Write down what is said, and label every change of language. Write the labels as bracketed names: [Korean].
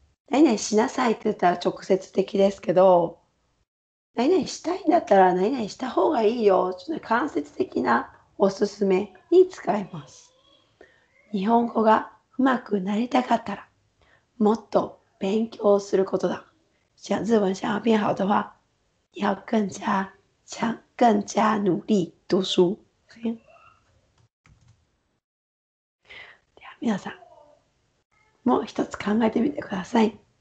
[Japanese] 何々しなさいって言ったら直接的ですけど、何々したいんだったら何々した方がいいよ、ちょっと間接的なおすすめに使います。日本語がうまくなりたかったら、もっと勉強することだ。 [Chinese] 想日文想要变好的话，要更加强、更加努力读书。两秒三， [Japanese] もう一つ考えてみてください。